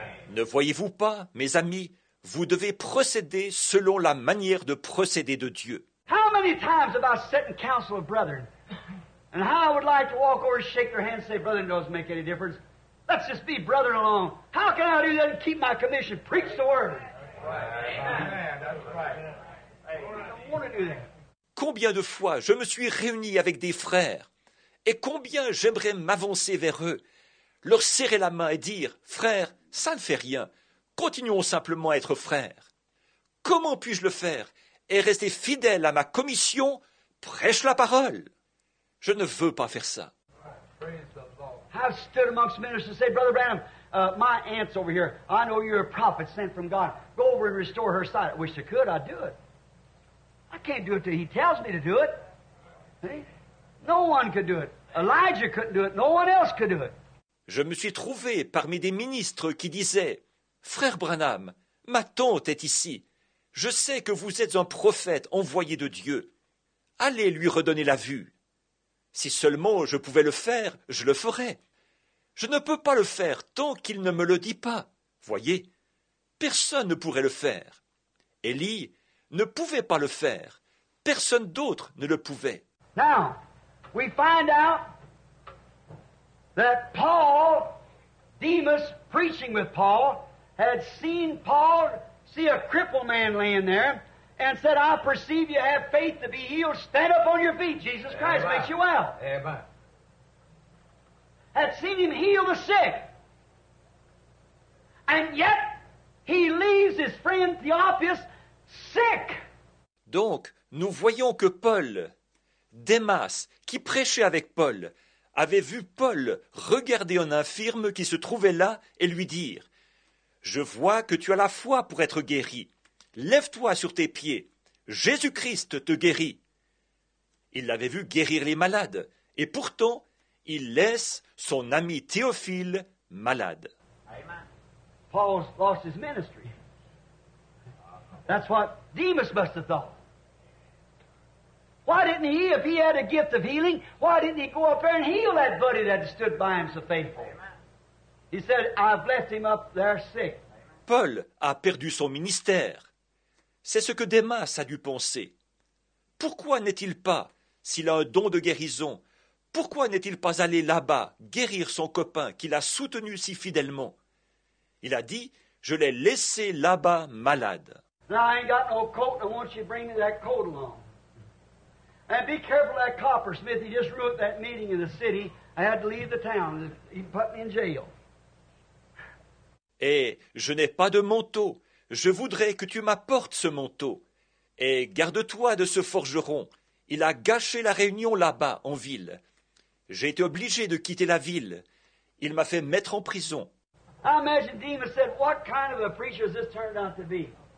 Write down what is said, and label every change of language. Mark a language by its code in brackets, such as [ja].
[fr] Ne voyez-vous pas, mes amis, vous devez procéder selon la manière de procéder de Dieu. [en] How many times have I sat in council with brethren, and how I would like to walk over, shake their hands, say, brethren, doesn't make any difference. Let's just be brother alone. How can I do that and keep my commission? Preach the word. Amen. That's right. I don't want to do that. [fr] Combien de fois je me suis réuni avec des frères, et combien j'aimerais m'avancer vers eux, leur serrer la main et dire, frère, ça ne fait rien. Continuons simplement à être frères. Comment puis-je le faire et rester fidèle à ma commission? Prêche la parole. Je ne veux pas faire ça. [en] I've stood amongst ministers and say, Brother Branham, my aunt's over here. I know you're a prophet sent from God. Go over and restore her sight. I wish I could, I'd do it. I can't do it till he tells me to do it. See? No one could do it. Elijah couldn't do it. No one else could do it. [fr] Je me suis trouvé parmi des ministres qui disaient, « Frère Branham, ma tante est ici. Je sais que vous êtes un prophète envoyé de Dieu. Allez lui redonner la vue. Si seulement je pouvais le faire, je le ferais. Je ne peux pas le faire tant qu'il ne me le dit pas. Voyez, personne ne pourrait le faire. Élie ne pouvait pas le faire. Personne d'autre ne le pouvait. » [en] Now, we find out that Paul, Demas, preaching with Paul, had seen Paul see a crippled man laying there and said, I perceive you have faith to be healed. Stand up on your feet. Jesus Christ Amen. Makes you well. Amen. Had seen him heal the sick. And yet, he leaves his friend Theophilus sick. [fr] Donc, nous voyons que Paul, Demas, qui prêchait avec Paul, avait vu Paul regarder un infirme qui se trouvait là et lui dire, « Je vois que tu as la foi pour être guéri. Lève-toi sur tes pieds. Jésus-Christ te guérit. » Il l'avait vu guérir les malades, et pourtant, il laisse son ami Théophile malade. Amen. [en] Paul's lost his ministry. That's what Demas must have thought. Why didn't he, if he had a gift of healing, why didn't he go up there and heal that buddy that stood by him so faithful? He said, I've left him up there sick. [fr] Paul a perdu son ministère. C'est ce que Demas a dû penser. Pourquoi n'est-il pas, s'il a un don de guérison, pourquoi n'est-il pas allé là-bas guérir son copain qu'il a soutenu si fidèlement? Il a dit, je l'ai laissé là-bas malade. [en] Now, I ain't got no coat, I want you to bring that coat along. And be careful of that coppersmith, he just ruined that meeting in the city. I had to leave the town, he put me in jail. [fr] Et je n'ai pas de manteau, je voudrais que tu m'apportes ce manteau. Et garde-toi de ce forgeron, il a gâché la réunion là-bas, en ville. J'ai été obligé de quitter la ville, il m'a fait mettre en prison. [en] I imagine Demas said, what kind of a preacher has this turned out to be?